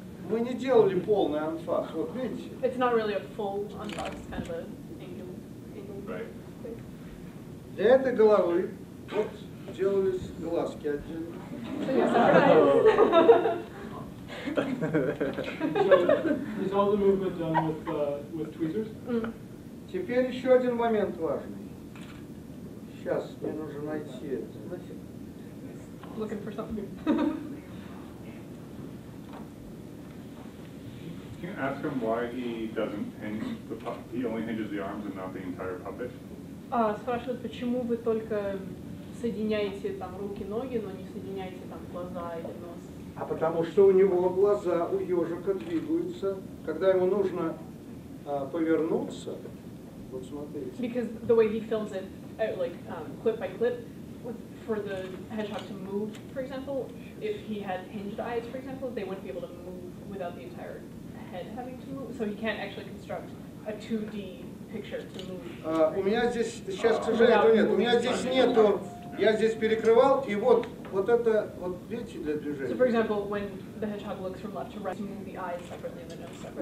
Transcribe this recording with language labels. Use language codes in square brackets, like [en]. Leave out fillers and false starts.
[ru] Мы не делали полный анфас, вот видите? [en] It's not really a full unfuss, it's kind of an angle. Right. [ru] Для этой головы вот делались глазки отдельно. [en] So yes, is all the movement done with tweezers? Mm. [ru] Теперь еще один момент важный. Сейчас, мне нужно найти это. [en] Looking for something. Can you ask him why he doesn't hinge the puppet? He only hinges the arms and not the entire puppet. [ru] Спрашивают, почему вы только соединяете там руки, ноги, но не соединяете там глаза или нос? А потому что у него глаза у ежика двигаются, когда ему нужно повернуться. Вот смотрите. [en] Because the way he films it, clip by clip, for the hedgehog to move, for example, if he had hinged eyes, for example, they wouldn't be able to move without the entire head having to move, so he can't actually construct a 2D picture to move. [ru] Здесь, сейчас, сожалею, нет. У меня здесь нету. Я здесь перекрывал, и вот, вот это, вот видите, [en] so for example, when the hedgehog looks from left to right, to move the eyes separately and the nose separately.